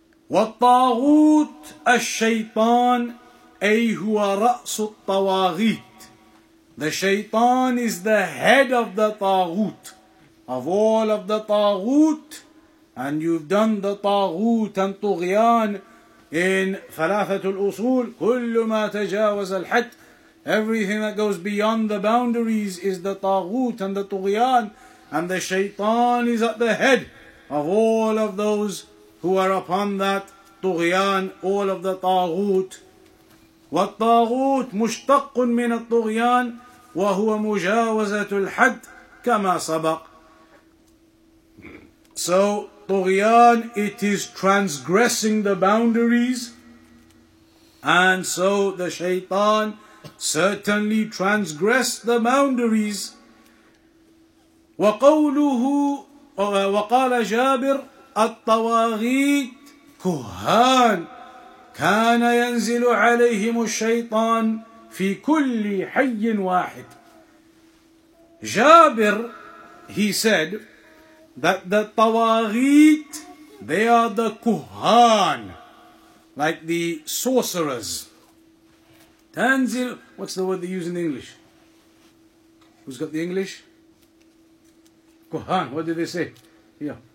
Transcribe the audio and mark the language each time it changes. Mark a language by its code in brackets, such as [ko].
[ar] وَالطَّاغُوتُ الشَّيْطَانِ أي هُوَ رَأْسُ الطَّوَاغِيتِ. [en] The shaytan is the head of the طَاغُوتِ, of all of the taghut, And you've done the طاغوت and طغيان in ثلاثة الأصول. [ar] كل ما تجاوز الحد. [en] Everything that goes beyond the boundaries is the طاغوت and the طغيان. And the shaitan is at the head of all of those who are upon that طغيان, all of the طاغوت. [ar] والطاغوت مشتق من الطغيان وهو مجاوزة الحد كما سبق. [en] So طغيان, it is transgressing the boundaries, and so the shaitan certainly transgressed the boundaries. [ar] وقوله وقال جابر الطواغيت كهان كان ينزل عليهم الشيطان في كل حي واحد. [en] جابر, he said that the tawaghit, they are the kuhan, like the sorcerers. Tanzil, what's the word they use in English? Who's got the English? Kuhan, what did they say? Yeah.